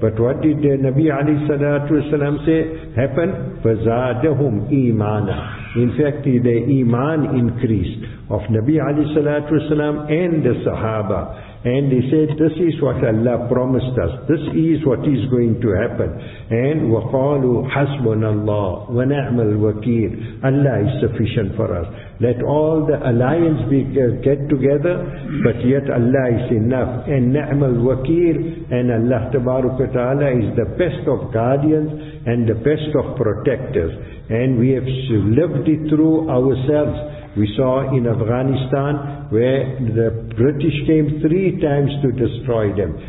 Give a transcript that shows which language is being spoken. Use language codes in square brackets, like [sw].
[en] But what did the Nabi alayhi salatu wasalam say happened? [ar] فَزَادَهُمْ إِيمَانًا. [en] In fact, the iman increased of Nabi alayhi salatu wasalam and the Sahaba. And they said, this is what Allah promised us. This is what is going to happen. And [ar] وَقَالُوا حَسْبُنَ اللَّهُ وَنَعْمَ الْوَكِيلُ. [en] Allah is sufficient for us. Let all the alliance be get together, but yet Allah is enough. And [ar] نَعْمَ الْوَكِيلُ, [en] and Allah تَبَارُكَ وَتَعَالَى is the best of guardians and the best of protectors. And we have lived it through ourselves. We saw in Afghanistan where the British came 3 times to destroy them.